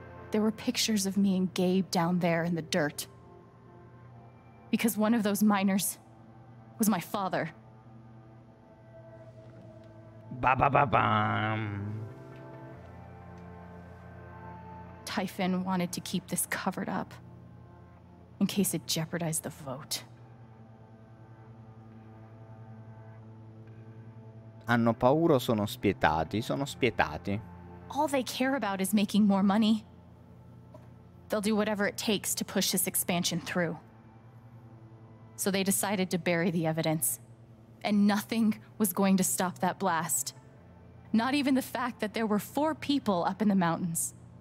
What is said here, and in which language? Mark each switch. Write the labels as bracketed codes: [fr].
[en] There were pictures of me and Gabe down there in the dirt. Because one of those miners was my father. Ba ba ba bam. Typhon wanted to keep this covered up in case it jeopardized the vote. [it] Hanno paura o sono spietati? Sono spietati. [en] All they care about is making more money. They'll do whatever it takes to push this expansion through. So they decided to bury the evidence. And nothing was going to stop that blast. Not even the fact that there were four people up in the mountains.